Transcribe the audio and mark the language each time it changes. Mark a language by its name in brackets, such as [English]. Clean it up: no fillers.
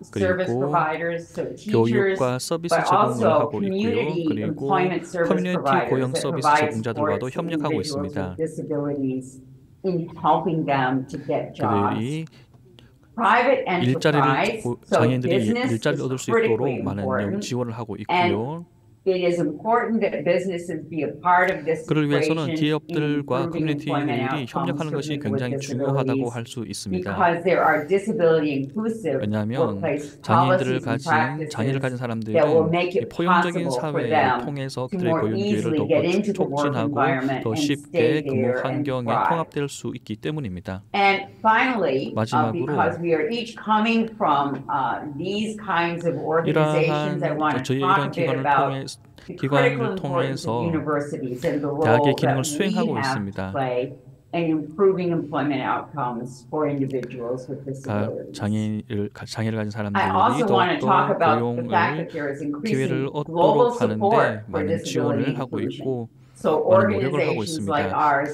[Korean] 그리고 교육과 서비스 제공을 하고 있고요. 그리고 커뮤니티 고용 서비스 제공자들과도 협력하고 있습니다. 그들이 일자리를, 장애인들이 일자리를 얻을 수 있도록 많은 지원을 하고 있고요. [English] It is important that businesses be a part of this equation in improving employment outcomes for people with disabilities because there are disability-inclusive workplace policies and practices that will make it possible for them to more easily get into the work environment and stay there and thrive. And finally, because we are each coming from these kinds of organizations, I want to talk a bit about [Korean] 기관을 통해서 대학의 기능을 수행하고 있습니다. 장애를 가진 사람들이 더욱더 고용을 기회를 얻도록 하는데 많은 지원을 하고 있고 많은 노력을 하고 있습니다.